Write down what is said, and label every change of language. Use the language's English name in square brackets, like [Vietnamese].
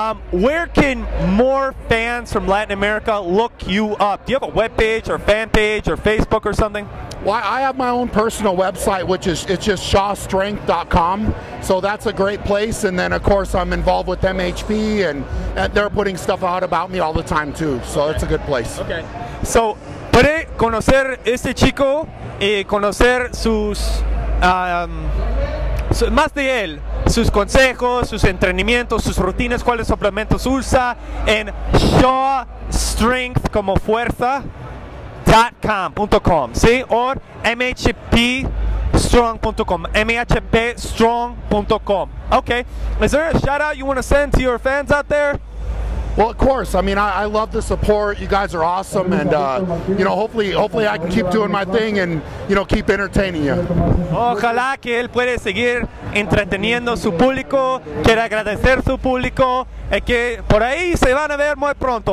[English] Where can more fans from Latin America look you up? Do you have a web page or fan page or Facebook or something? Well, I have my own personal website, which is just shawstrength.com. So that's a great place. And then, of course, I'm involved with MHP, and they're putting stuff out about me all the time, too. So it's a good place. Okay. [Spanish] So, ¿puede conocer este chico y conocer sus, más de él, sus consejos, sus entrenamientos, sus rutinas, cuáles suplementos usa en shawstrength.com, ¿sí? O mhpstrong.com, mhpstrong.com. Okay. [English] Is there a shout out you want to send to your fans out there? Well, of course. I mean, I love the support. You guys are awesome. And, you know, hopefully I can keep doing my thing and, you know, keep entertaining you. [Spanish] Ojalá que él pueda seguir entreteniendo su público. Quiero agradecer su público. Y que por ahí se van a ver muy pronto.